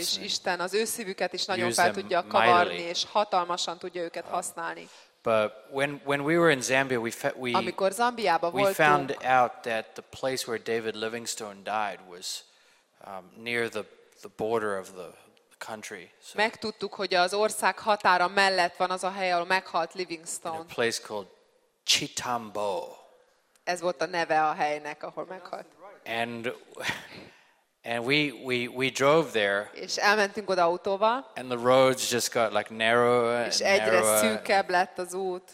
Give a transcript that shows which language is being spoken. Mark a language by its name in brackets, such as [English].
[Hungarian] És Isten az ő szívüket is nagyon fel tudja kavarni, és hatalmasan tudja őket használni. [English] But when we were in Zambia, we [Hungarian] amikor Zambiába voltunk, [English] we found out that the place where David Livingstone died was near the border of the country. [Hungarian] So megtudtuk, hogy az ország határa mellett van az a hely, ahol meghalt Livingstone. [English] A place called Chitambo. [Hungarian] Ez volt a neve a helynek, ahol meghalt. [English] And we drove there. [Hungarian] És elmentünk oda autóval. [English] And the roads just got like narrower and narrower. [Hungarian] És egyre szűkebb lett az út.